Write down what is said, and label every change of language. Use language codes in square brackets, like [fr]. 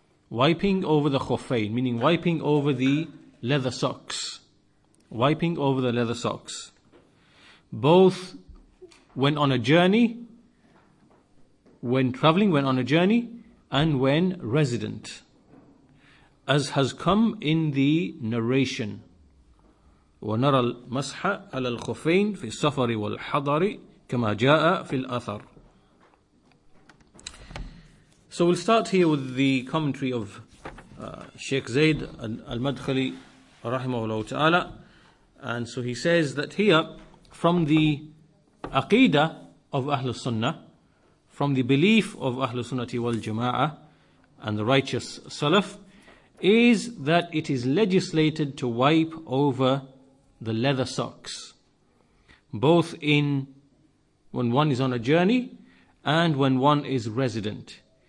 [en] Wiping over the khuffain, meaning wiping over the leather socks. Wiping over the leather socks. Both when on a journey, when traveling, when on a journey, and when resident. As has come in the narration. [ar] وَنَرَى الْمَسْحَ عَلَى الْخُفَيْنِ فِي السَّفَرِ وَالْحَضَرِ كَمَا جَاءَ فِي الْأَثَرِ. [en] So we'll start here with the commentary of Sheikh Zayd al-Madkhali رحمه الله تعالى. And so he says that here, from the aqidah of Ahl al-Sunnah, from the belief of Ahl al-Sunnah wal-Jama'ah and the righteous Salaf, is that it is legislated to wipe over the leather socks, both in when one is on a journey and when one is resident.